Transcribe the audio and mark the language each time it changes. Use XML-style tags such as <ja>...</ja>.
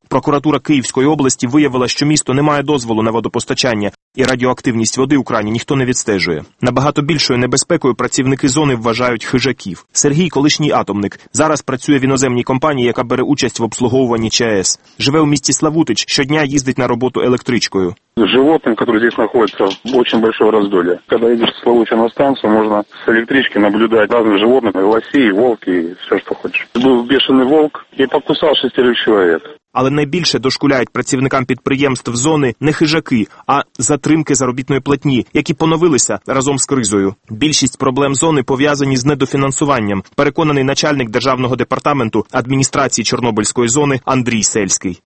<uk>Прокуратура Київської області виявила, що місто не має дозволу на водопостачання, і радіоактивність води у крані ніхто не відстежує. Набагато більшою небезпекою працівники зони вважають хижаків. Сергій – колишній атомник. Зараз працює в іноземній компанії, яка бере участь в обслуговуванні ЧАЕС. Живе у місті Славутич, щодня їздить на роботу електричкою.</uk> <ru>Животным, который здесь находится, очень большое раздолье. Когда едешь в Славутич на станцию, можно с электрички наблюдать разных животных, лосей, волки и все, что хочешь. Был бешеный волк и покусал шестерых человек.</ru> <uk>Але найбільше дошкуляють працівникам підприємств зони не хижаки, а затримки заробітної платні, які поновилися разом з кризою. Більшість проблем зони пов'язані з недофінансуванням, переконаний начальник Державного департаменту адміністрації Чорнобильської зони Андрій Сельський.</uk>